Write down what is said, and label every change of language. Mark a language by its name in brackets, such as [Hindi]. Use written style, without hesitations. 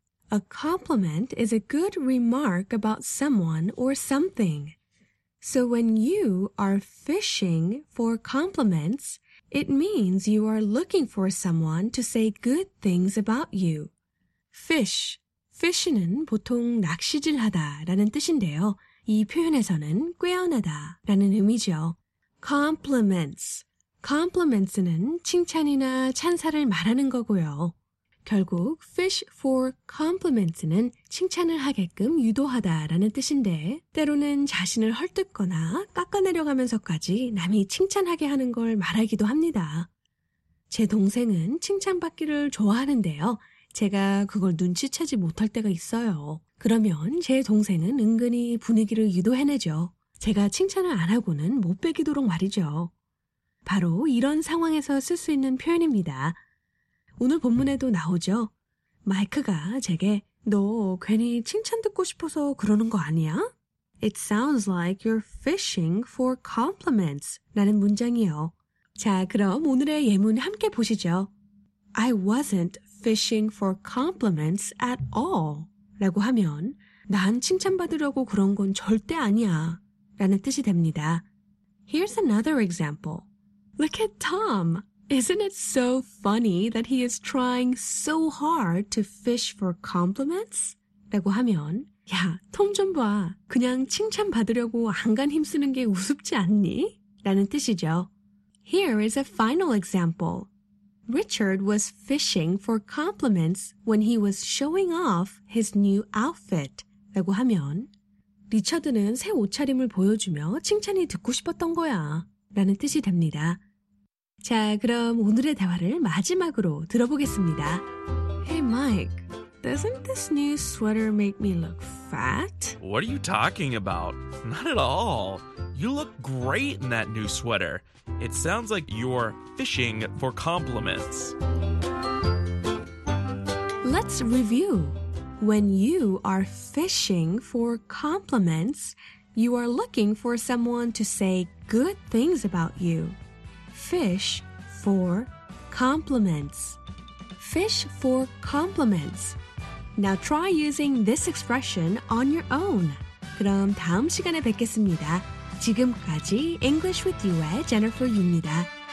[English] A compliment is a good remark about someone or something. So when you are fishing for compliments, it means you are looking for someone to say good things about you. Fish. [Korean] Fish는 보통 낚시질하다 라는 뜻인데요. 이 표현에서는 꾀어내다 라는 의미죠. [English] Compliments. [Korean] Compliments는 칭찬이나 찬사를 말하는 거고요. 결국 [English] fish for compliments [Korean] 는 칭찬을 하게끔 유도하다 라는 뜻인데 때로는 자신을 헐뜯거나 깎아내려가면서까지 남이 칭찬하게 하는 걸 말하기도 합니다. 제 동생은 칭찬받기를 좋아하는데요. 제가 그걸 눈치채지 못할 때가 있어요. 그러면 제 동생은 은근히 분위기를 유도해내죠. 제가 칭찬을 안 하고는 못 빼기도록 말이죠. 바로 이런 상황에서 쓸 수 있는 표현입니다. 오늘 본문에도 나오죠. 마이크가 제게 너 괜히 칭찬 듣고 싶어서 그러는 거 아니야? [English] It sounds like you're fishing for compliments [Korean] 라는 문장이요. 자, 그럼 오늘의 예문 함께 보시죠. [English] I wasn't fishing for compliments at all [Korean] 라고 하면 난 칭찬받으려고 그런 건 절대 아니야 라는 뜻이 됩니다. [English] Here's another example. Look at Tom. Isn't it so funny that he is trying so hard to fish for compliments? [Korean] 라고 하면 야, 톰 좀 봐. 그냥 칭찬받으려고 안간 힘쓰는 게 우습지 않니? 라는 뜻이죠. [English] Here is a final example. Richard was fishing for compliments when he was showing off his new outfit. [Korean] 라고 하면 리처드는 새 옷차림을 보여주며 칭찬이 듣고 싶었던 거야. 라는 뜻이 됩니다. 자, 그럼 오늘의 대화를 마지막으로 들어보겠습니다. [English] Hey, Mike, doesn't this new sweater make me look fat? What are you talking about? Not at all. You look great in that new sweater. It sounds like you're fishing for compliments. Let's review. When you are fishing for compliments, you are looking for someone to say good things about you. Fish for compliments. Fish for compliments. Now try using this expression on your own. [Korean] 그럼 다음 시간에 뵙겠습니다. 지금까지 English with you의 Jennifer입니다.